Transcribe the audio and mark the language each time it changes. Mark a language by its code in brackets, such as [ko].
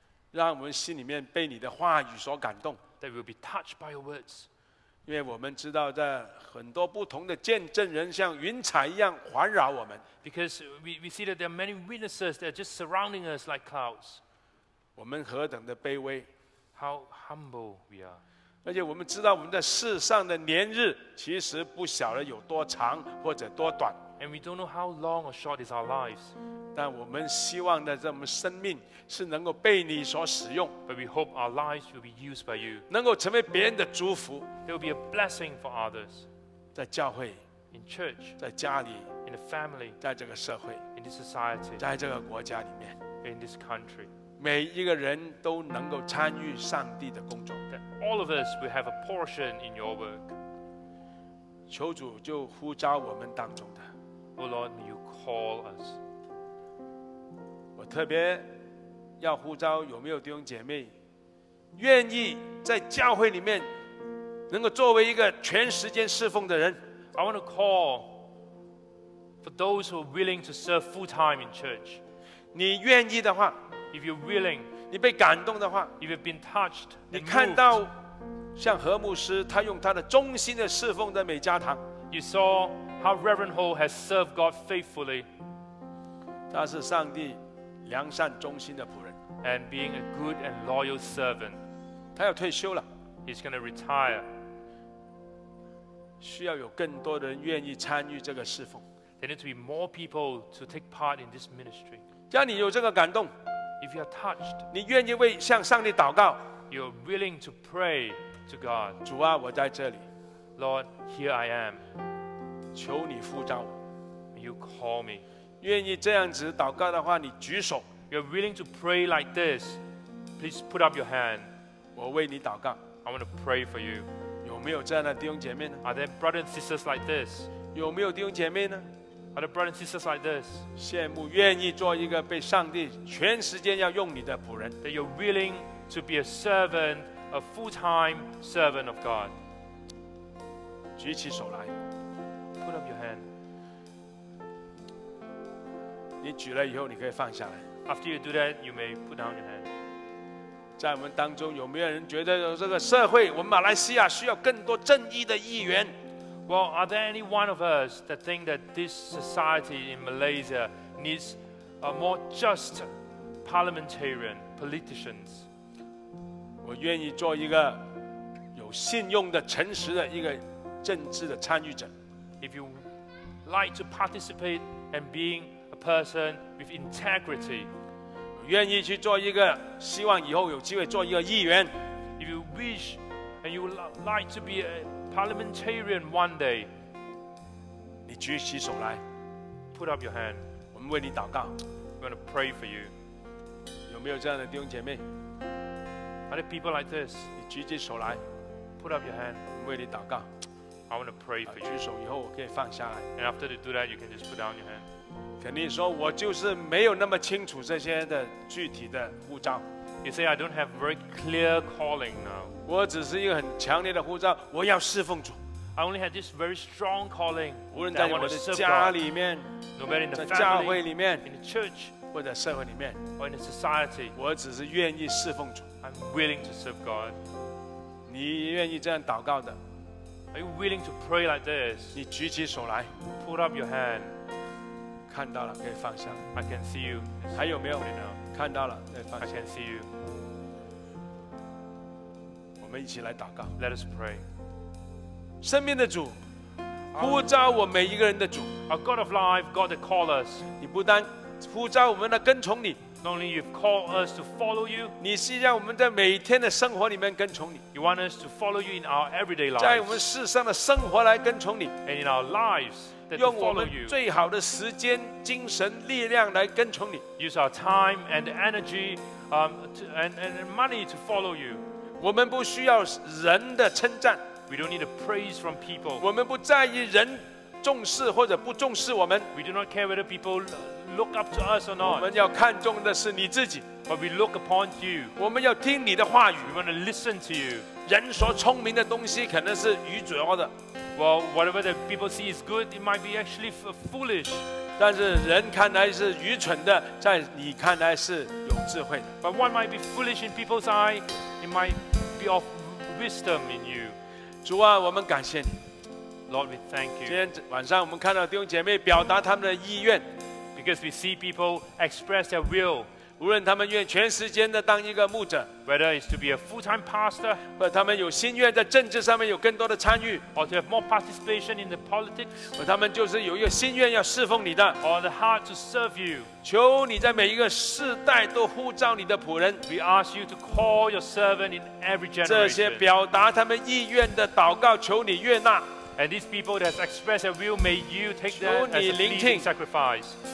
[zh] 让我们心里面被你的话语所感动。 [en] That will be touched by your words. [zh] 因为我们知道在很多不同的见证人像云彩一样环绕我们。 [en] Because we see that there are many witnesses that are just surrounding us like clouds. [zh] 我们何等的卑微。 [en] How humble we are. [zh] 而且我们知道我们在世上的年日其实不晓得有多长或者多短。 [en] And we don't know how long or short is our lives. [zh] 但我们希望的这么生命是能够被你所使用 [en] But we hope our lives will be used by you [zh] 能够成为别人的祝福 [en] There will be a blessing for others [zh] 在教会 [en] In church [zh] 在家里 [en] In the family [zh] 在这个社会 [en] In this society [zh] 在这个国家里面 [en] In this country [zh] 每一个人都能够参与上帝的工作 [en] That all of us will have a portion in your work [zh] 求主就呼召我们当中的 [en] Oh Lord, you call us [zh] 我特别要呼召有没有弟兄姐妹愿意在教会里面能够作为一个全时间侍奉的人 [en] I want to call for those who are willing to serve full time in church [zh] 你愿意的话 [en] If you're willing [zh] 你被感动的话 [en] If you've been touched and moved [zh] 你看到像何牧师他用他的忠心的侍奉的美加堂 [en] You saw how Reverend Ho has served God faithfully [zh] 他是上帝良善忠心的仆人 [en] and being a good and loyal servant [zh] 他要退休了 [en] he's going to retire [zh] 需要有更多人愿意参与这个侍奉 [en] there need to be more people to take part in this ministry [zh] 只要你有这个感动 [en] if you're touched [zh] 你愿意为向上帝祷告 [en] you're willing to pray to God [zh] 主啊我在这里 [en] Lord here I am [zh] 求你呼召 [en] you call me [zh] 愿意这样子祷告的话你举手 [en] You're willing to pray like this Please put up your hand [zh] 我为你祷告 [en] I want to pray for you [zh] 有没有这样的弟兄姐妹呢 [en] Are there brothers and sisters like this [zh] 有没有弟兄姐妹呢 [en] Are there brothers and sisters like this [zh] 羡慕愿意做一个被上帝全时间要用你的仆人 [en] That you're willing to be a servant A full-time servant of God [zh] 举起手来 [en] Put up your hand [zh] 你举了以后你可以放下来 [en] After you do that, you may put down your hand [zh] 在我们当中有没有人觉得这个社会我们马来西亚需要更多正义的议员 [en] Well, are there any one of us that think that this society in Malaysia needs a more just parliamentarian politicians [zh] 我愿意做一个有信用的诚实的一个政治的参与者 [en] If you like to participate and beingperson with integrity [zh] 愿意去做一个希望以后有机会做一个议员 [en] if you wish and you would like to be a parliamentarian one day [zh] 你举起手来 [en] put up your hand [zh] 我们为你祷告 [en] we want to pray for you [zh] 有没有这样的弟兄姐妹 [en] are there people like this [zh] 你举起手来 [en] put up your hand [zh] 我们为你祷告 [en] I want to pray for you [zh] 举手以后我可以放下来 [en] and after you do that you can just put down your hand [zh] 肯定说我就是没有那么清楚这些的具体的呼召 [en] You say I don't have very clear calling now [zh] 我只是一个很强烈的呼召我要侍奉主 [en] I only have this very strong calling [zh] 无论在我的家里面 [en] No matter in the family [zh] 在教会里面 [en] In the church [zh] 或者社会里面 [en] Or in the society [zh] 我只是愿意侍奉主 [en] I'm willing to serve God [zh] 你愿意这样祷告的 [en] Are you willing to pray like this [zh] 你举起手来 [en] Put up your hand [zh] 看到了可以放下 [en] I can see you [zh] 还有没有看到了可以放下 [en] I can see you [zh] 我们一起来祷告 [en] Let us pray [zh] 生命的主呼召我每一个人的主 [en] Our God of life God that call us [zh] 你不单呼召我们来跟从你 [en] Not only you've called us to follow you, [zh] 你是让我们在每天的生活里面跟从你。 [en] You want us to follow you in our everyday lives. [zh] 在我们世上的生活来跟从你。 [en] And in our lives that follow you. [zh] 用我们最好的时间、精神、力量来跟从你。 [en] Use our time and energy, and money to follow you. [zh] 我们不需要人的称赞。 [en] We don't need a praise from people. [zh] 我们不在意人重视或者不重视我们。 [en] We do not care whether people look up to us or not. [zh] 我们要看重的是你自己。 [en] But we look upon you. [zh] 我们要听你的话语。 [en] We want to listen to you. [zh] 人所聪明的东西可能是愚拙的。 [en] Well, whatever that people see is good, it might be actually foolish. [zh] 但是人看来是愚蠢的，在你看来是有智慧的。 [en] But what might be foolish in people's eye, it might be of wisdom in you. [zh] 主啊，我们感谢你。 [en] Lord, we thank you. [zh] 今天晚上我们看到弟兄姐妹表达他们的意愿。 [en] Because we see people express their will. [zh] 无论他们愿全时间的当一个牧者， [en] whether it's to be a full-time pastor, [zh] 或他们有心愿在政治上面有更多的参与， [en] or to have more participation in the politics, [zh] 或他们就是有一个心愿要侍奉你的， [en] or the heart to serve you. [zh] 求你在每一个世代都呼召你的仆人。 [en] We ask you to call your servant in every generation. [zh] 这些表达他们意愿的祷告，求你悦纳。 [en] And these people that express their will, may you take them as a pleasing sacrifice.